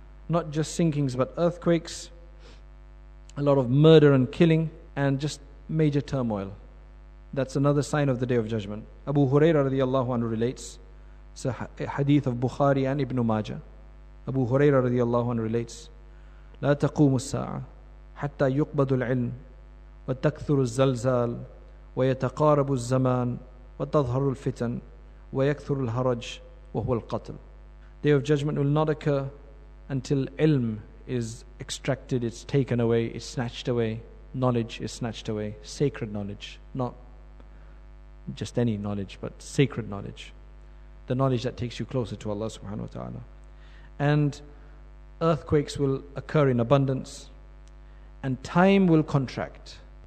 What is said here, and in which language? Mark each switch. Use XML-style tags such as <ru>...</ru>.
<en>Not just sinkings, but earthquakes. A lot of murder and killing, and just major turmoil. That's another sign of the Day of Judgment. Abu Hurairah radiallahu anhu relates. It's a hadith of Bukhari and Ibn Majah. Abu Hurairah radiallahu anhu relates.</en> <ar>لا تقوم الساعة حتى يقبض العلم وتكثر الزلزال ويتقارب الزمان وتظهر الفتن وَيَكْثُرُ الْهَرَجِ وَهُوَ الْقَتْلِ.</ar> <en>Day of Judgment will not occur until ilm is extracted, it's taken away, it's snatched away, knowledge is snatched away, sacred knowledge, not just any knowledge, but sacred knowledge. The knowledge that takes you closer to Allah subhanahu wa ta'ala. And earthquakes will occur in abundance, and time will contract.</en>